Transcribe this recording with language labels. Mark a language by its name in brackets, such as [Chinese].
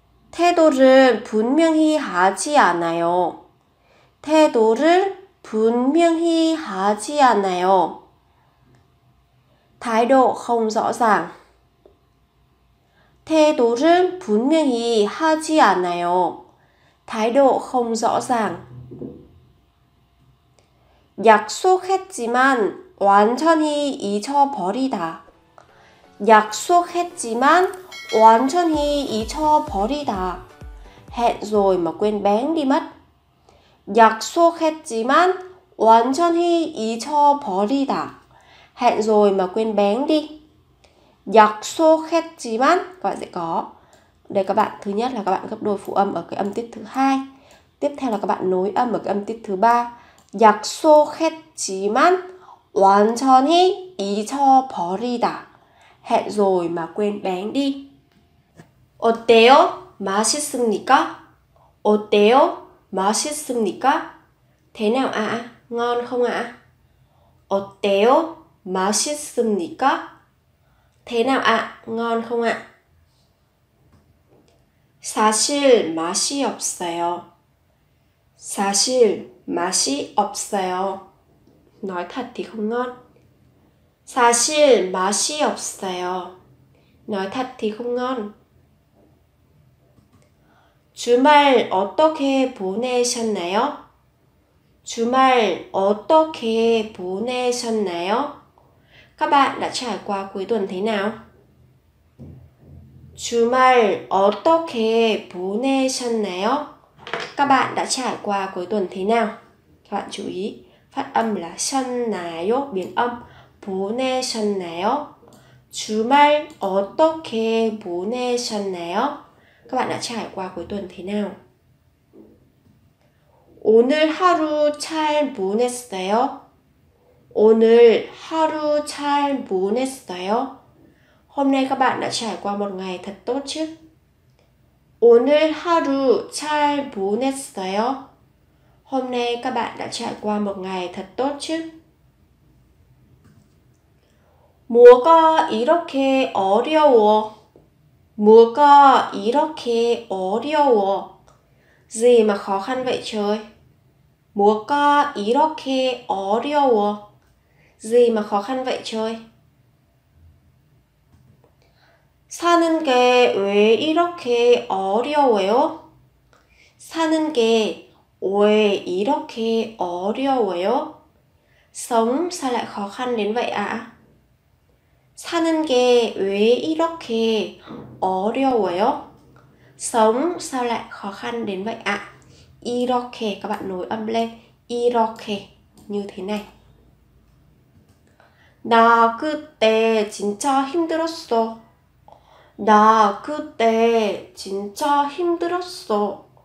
[Korean] 태도를 분명히 하지 않아요. 태도를 분명히 하지 않아요. [Vietnamese] 태도 không rõ ràng. [Korean] 태도를 분명히 하지 않아요. [Vietnamese] 태도 không rõ ràng. [Korean] 약속했지만 완전히 잊어버리다. 약속했지만 완전히 잊어버리다. [Vietnamese] Hẹn rồi mà quên bén đi mất. [Korean] 약속했지만 완전히 잊어버리다. [Vietnamese] Hẹn rồi mà quên bén đi. [Korean] 약속했지만 [Vietnamese] các bạn sẽ có. Đây các bạn, thứ nhất là các bạn gấp đôi phụ âm ở cái âm tiết thứ hai. Tiếp theo là các bạn nối âm ở cái âm tiết thứ ba. [Korean] 약속했지만 완전히 잊어버리다. [Vietnamese] Hẹn rồi mà quên bén đi. [Korean] 어때요? 맛있습니까? 어때요? 맛있습니까? [Vietnamese] Thế nào ạ? À? Ngon không ạ? À? [Korean] 어때요? 맛있습니까? [Vietnamese] Thế nào ạ? À? Ngon không ạ? À? [Korean] 사실 맛이 없어요. 사실 맛이 없어요. [Vietnamese] Nói thật thì không ngon. [Korean] 사실 맛이 없어요. [Vietnamese] Nói thật thì không ngon. [Korean] 주말 어떻게 보내셨나요? 주말 어떻게 보내셨나요? [Vietnamese] Các bạn đã trải qua cuối tuần thế nào? [Korean] 주말 어떻게 보내셨나요? [Vietnamese] Các bạn đã trải qua cuối tuần thế nào? Các bạn chú ý, phát âm là [Korean] 셨나요? [Vietnamese] Biến âm [Korean] 보내셨나요? 주말 어떻게 보내셨나요? [Vietnamese] Các bạn đã trải qua cuối tuần thế nào? [Korean] 오늘 하루 잘 보냈어요? 오늘 하루 잘 보냈어요? [Vietnamese] Hôm nay các bạn đã trải qua một ngày thật tốt chứ? [Korean] 오늘 하루 잘 보냈어요? [Vietnamese] Hôm nay các bạn đã trải qua một ngày thật tốt chứ? [Korean] 뭐가 이렇게 어려워? 뭐가 이렇게 어려워? [Vietnamese] Gì mà khó khăn vậy trời? [Korean] 뭐가 이렇게 어려워? [Vietnamese] Gì mà khó khăn vậy trời? [Korean] 사는 게왜 이렇게 어려워요? 사는 게왜 이렇게 어려워요? [Vietnamese] Sống sao lại khó khăn đến vậy ạ? [Korean] 사는 게왜 이렇게 어려워요? [Vietnamese] Sống sao lại khó khăn đến vậy ạ? 이렇게 các bạn nối âm lên, 이렇게 như thế này. [Korean] 나 그때 진짜 힘들었어. 나 그때 진짜 힘들었어.